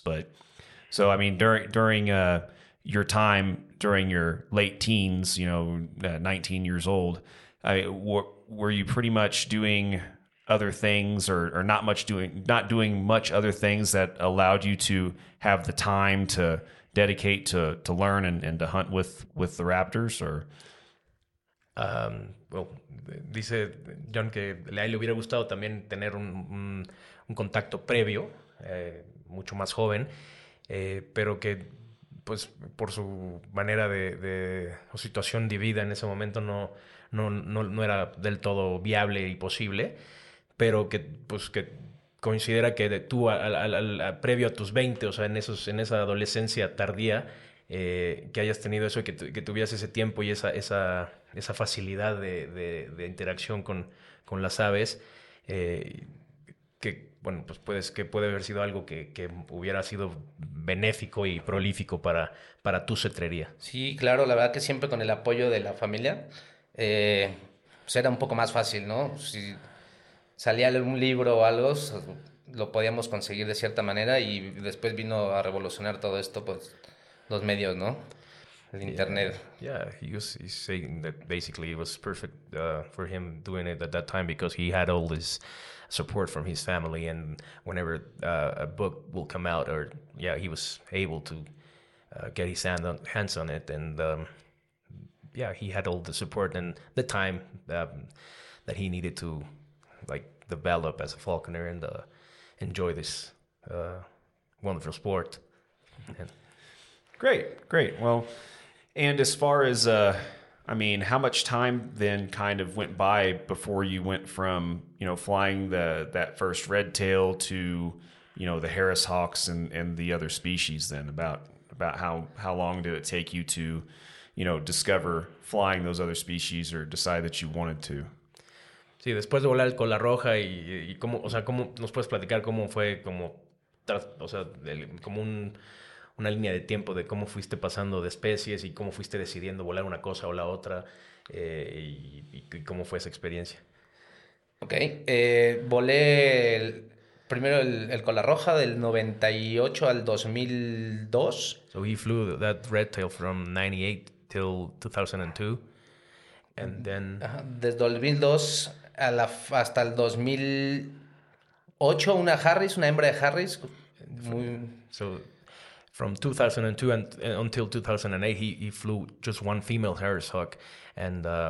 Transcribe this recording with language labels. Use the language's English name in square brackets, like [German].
[English] But so, I mean, during your time, during your late teens, you know, 19 years old, were you pretty much doing other things or not doing much other things that allowed you to have the time to dedicate to learn and to hunt with the raptors? Or, [Spanish] well, dice John que le hubiera gustado también tener un contacto previo, mucho más joven. Pero que, pues, por su manera de o situación de vida en ese momento no era del todo viable y posible, pero que, pues, que considera que tú, previo a tus 20, o sea, en esa adolescencia tardía, que hayas tenido eso, que tuvieras ese tiempo y esa facilidad de interacción con las aves, que, bueno, pues puede haber sido algo que hubiera sido benéfico y prolífico para tu cetrería. Sí, claro, la verdad que siempre con el apoyo de la familia, pues era un poco más fácil, ¿no? Si salía un libro o algo, lo podíamos conseguir de cierta manera, y después vino a revolucionar todo esto, pues, los medios, ¿no? El internet. [English] Yeah, he's saying that basically it was perfect for him doing it at that time because he had all this support from his family, and whenever a book will come out, or yeah, he was able to get his hands on it, and yeah, he had all the support and the time that he needed to, like, develop as a falconer and enjoy this wonderful sport. And great. Well, and as far as, how much time then kind of went by before you went from, you know, flying that first red tail to, you know, the Harris Hawks and the other species then? About how long did it take you to, you know, discover flying those other species or decide that you wanted to? [Spanish] Sí, después de volar el cola roja y cómo, o sea, cómo nos puedes platicar cómo fue, como, o sea, como una línea de tiempo de cómo fuiste pasando de especies y cómo fuiste decidiendo volar una cosa o la otra, y cómo fue esa experiencia. Okay, volé primero el cola roja del 98 al 2002. [English] So he flew that red tail from 98 till 2002, and then [Spanish] desde 2002 hasta el 2008 una Harris, una hembra de Harris. [English] So from 2002 and until 2008 he flew just one female Harris Hawk, and